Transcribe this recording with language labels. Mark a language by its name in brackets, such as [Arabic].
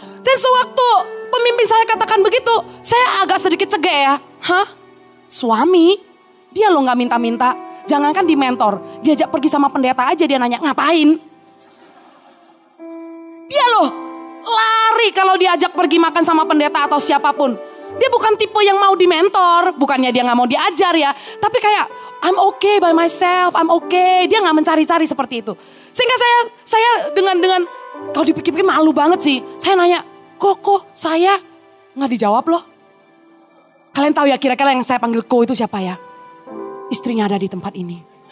[Indonesian] Dan sewaktu pemimpin saya katakan begitu, saya agak sedikit cegek ya. Hah? Suami? Dia loh gak minta-minta. Jangankan di mentor. Diajak pergi sama pendeta aja dia nanya, ngapain? Dia loh lari kalau diajak pergi makan sama pendeta atau siapapun. Dia bukan tipe yang mau di mentor. Bukannya dia gak mau diajar ya. Tapi kayak, [English] I'm okay by myself, I'm okay. [Indonesian] Dia gak mencari-cari seperti itu. Sehingga saya dengan, kalau dipikir-pikir malu banget sih. Saya nanya, kok saya gak dijawab loh? Kalian tahu ya kira-kira yang saya panggil ko itu siapa ya? Istrinya ada di tempat ini.